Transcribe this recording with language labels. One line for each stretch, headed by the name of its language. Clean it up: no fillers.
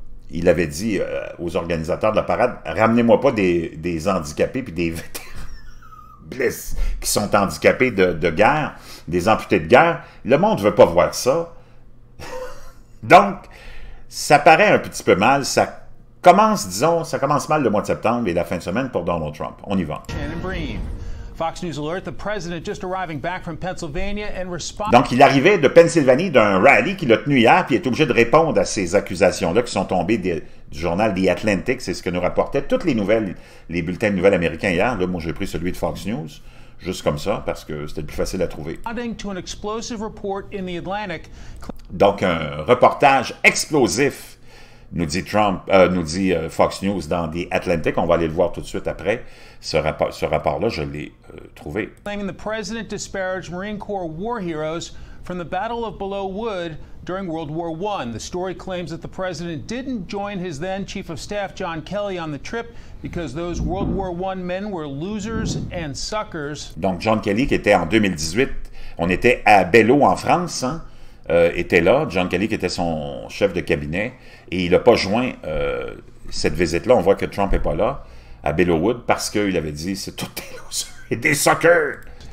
French: Il avait dit aux organisateurs de la parade, « Ramenez-moi pas des handicapés puis des vétérans qui sont handicapés de guerre, des amputés de guerre. Le monde ne veut pas voir ça. » Donc, ça paraît un petit peu mal. Ça commence, disons, ça commence mal le mois de septembre et la fin de semaine pour Donald Trump. On y va.
English: Fox News Alert, the president just arriving back from Pennsylvania and responding.
French: Donc, il arrivait de Pennsylvanie d'un rallye qu'il a tenu hier, puis il est obligé de répondre à ces accusations-là qui sont tombées du journal The Atlantic. C'est ce que nous rapportaient toutes les nouvelles, les bulletins de nouvelles américains hier. Là, moi, j'ai pris celui de Fox News, juste comme ça, parce que c'était le plus facile à trouver.
English: To an explosive report in the Atlantic.
French: Donc, un reportage explosif, nous dit Trump, Fox News dans The Atlantic. On va aller le voir tout de suite après. Ce rapport-là, je l'ai trouvé.
English: Claiming the president disparaged Marine Corps war heroes from the Battle of Belleau Wood during World War I. The story claims that the president didn't join his then chief of staff John Kelly on the trip because those World War I men were losers and suckers.
French: Donc John Kelly qui était en 2018, on était à Belleau en France, était là. John Kelly qui était son chef de cabinet et il n'a pas joint cette visite-là. On voit que Trump n'est pas là à Belleau Wood, parce qu'il avait dit « c'est tout des losers et des suckers ».